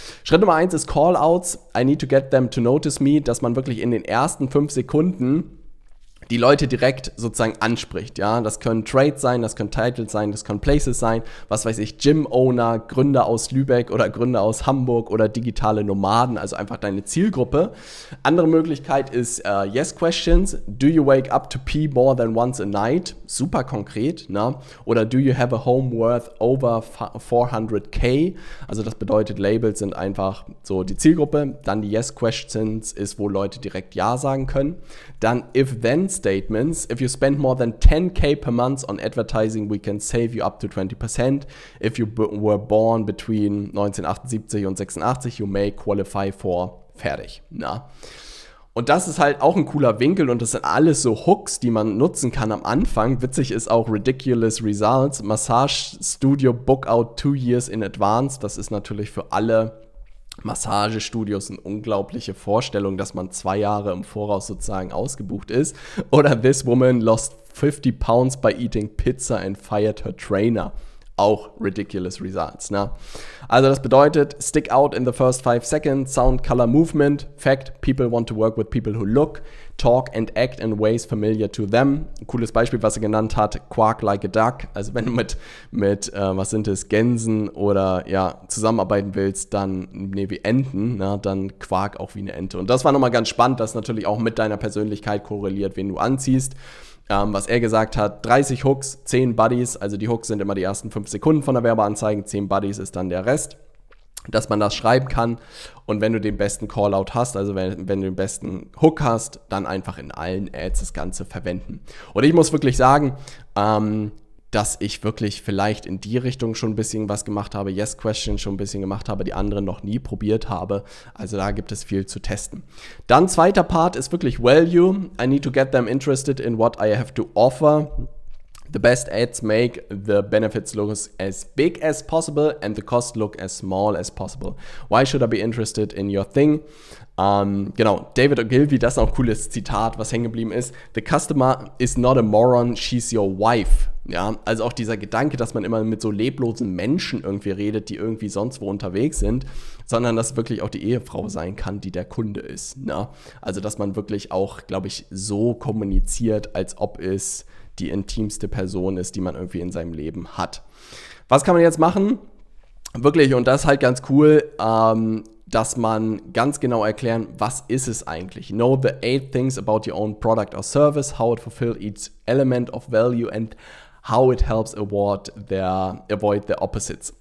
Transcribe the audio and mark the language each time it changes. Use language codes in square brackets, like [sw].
[de] Schritt Nummer 1 ist Call-Outs, [en] I need to get them to notice me, [de] dass man wirklich in den ersten 5 Sekunden die Leute direkt sozusagen anspricht. Ja, das können Trades sein, das können Titles sein, das können Places sein, was weiß ich, Gym-Owner, Gründer aus Lübeck oder Gründer aus Hamburg oder digitale Nomaden, also einfach deine Zielgruppe. Andere Möglichkeit ist Yes-Questions. [en] Do you wake up to pee more than once a night? [de] Super konkret, ne? Oder [en] do you have a home worth over 400k? [de] Also das bedeutet, Labels sind einfach so die Zielgruppe. Dann die Yes-Questions ist, wo Leute direkt Ja sagen können. Dann If-Then Statements. [en] If you spend more than 10k per month on advertising, we can save you up to 20%. If you were born between 1978 [de] und [en] 86, you may qualify for fertig. Na. [de] Und das ist halt auch ein cooler Winkel und das sind alles so Hooks, die man nutzen kann am Anfang. Witzig ist auch [en] Ridiculous Results. Massage Studio book out 2 years in advance. [de] Das ist natürlich für alle Massagestudios sind unglaubliche Vorstellung, dass man 2 Jahre im Voraus sozusagen ausgebucht ist. Oder [en] this woman lost 50 pounds by eating pizza and fired her trainer. [de] Auch [en] ridiculous results, [de] ne? Also das bedeutet, [en] stick out in the first 5 seconds, sound, color, movement. Fact, people want to work with people who look, talk and act in ways familiar to them. [de] Ein cooles Beispiel, was er genannt hat, [en] quark like a duck. [de] Also wenn du mit Gänsen oder ja, zusammenarbeiten willst, dann, nee, wie Enten, ne, dann quark auch wie eine Ente. Und das war nochmal ganz spannend, dass natürlich auch mit deiner Persönlichkeit korreliert, wen du anziehst. Was er gesagt hat, 30 Hooks, 10 Buddies, also die Hooks sind immer die ersten 5 Sekunden von der Werbeanzeige, 10 Buddies ist dann der Rest, dass man das schreiben kann und wenn du den besten Callout hast, also wenn du den besten Hook hast, dann einfach in allen Ads das Ganze verwenden. Und ich muss wirklich sagen, dass ich wirklich vielleicht in die Richtung schon ein bisschen was gemacht habe, Yes-Questions schon ein bisschen gemacht habe, die anderen noch nie probiert habe. Also da gibt es viel zu testen. Dann zweiter Part ist wirklich Value. [en] I need to get them interested in what I have to offer. The best ads make the benefits look as big as possible and the cost look as small as possible. Why should I be interested in your thing? [de] Genau, David Ogilvy, das ist auch ein cooles Zitat, was hängen geblieben ist. [en] The customer is not a moron, she's your wife. [de] Ja, also auch dieser Gedanke, dass man immer mit so leblosen Menschen irgendwie redet, die irgendwie sonst wo unterwegs sind, sondern dass wirklich auch die Ehefrau sein kann, die der Kunde ist. Ne? Also dass man wirklich auch, glaube ich, so kommuniziert, als ob es die intimste Person ist, die man irgendwie in seinem Leben hat. Was kann man jetzt machen? Wirklich, und das ist halt ganz cool, dass man ganz genau erklären, was ist es eigentlich? [en] Know the 8 things about your own product or service, how it fulfills each element of value and how it helps avoid the opposites.